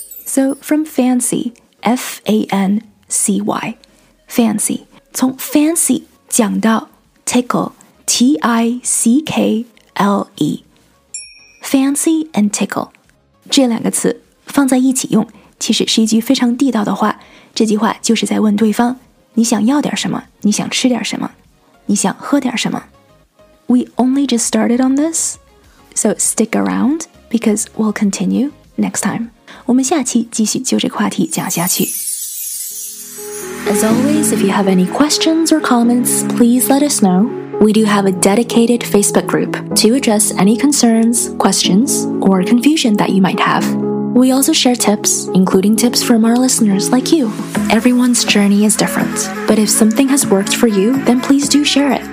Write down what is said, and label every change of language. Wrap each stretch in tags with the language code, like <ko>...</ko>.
<en>So from fancy, F-A-N-C-Y, fancy,</en> <zh>从</zh> <en>fancy</en> <zh>讲到</zh> <en>tickle, T-I-C-K-L-E. Fancy and tickle,</en> <zh>这两个词放在一起用其实是一句非常地道的话。这句话就是在问对方你想要点什么你想吃点什么你想喝点什么。</zh> <en>We only just started on this, so stick around because we'll continue next time.</en> <zh>我们下期继续就这个话题讲下去。</zh> <en>As always, if you have any questions or comments, please let us know. We do have a dedicated Facebook group to address any concerns, questions, or confusion that you might have. We also share tips, including tips from our listeners like you. Everyone's journey is different, but if something has worked for you, then please do share it.</en>